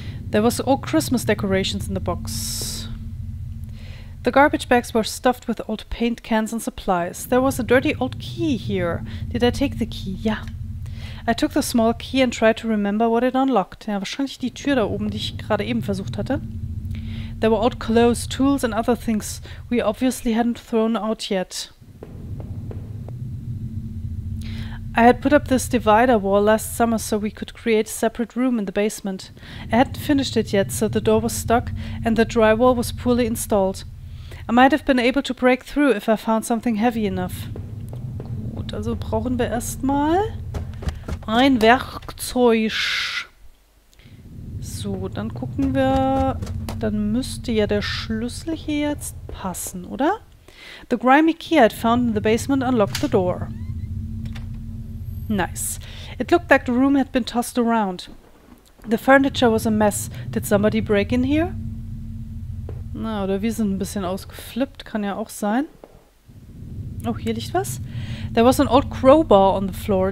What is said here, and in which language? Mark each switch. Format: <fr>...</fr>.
<en>There was all Christmas decorations in the box. The garbage bags were stuffed with old paint cans and supplies. There was a dirty old key here. Did I take the key? Yeah. I took the small key and tried to remember what it unlocked.</en> <de>Ja, wahrscheinlich die Tür da oben, die ich gerade eben versucht hatte.</de> <en>There were old clothes, tools and other things we obviously hadn't thrown out yet. I had put up this divider wall last summer so we could create a separate room in the basement. I hadn't finished it yet, so the door was stuck and the drywall was poorly installed. I might have been able to break through if I found something heavy enough.</en> <de>Gut, also brauchen wir erstmal ein Werkzeug. So, dann gucken wir. Dann müsste ja der Schlüssel hier jetzt passen, oder?</de> <en>The grimy key I'd found in the basement unlocked the door. Nice. It looked like the room had been tossed around. The furniture was a mess. Did somebody break in here?</en> <de>Na, oder wir sind ein bisschen ausgeflippt, kann ja auch sein. Oh, hier liegt was.</de> <en>There was an old crowbar on the floor.</en>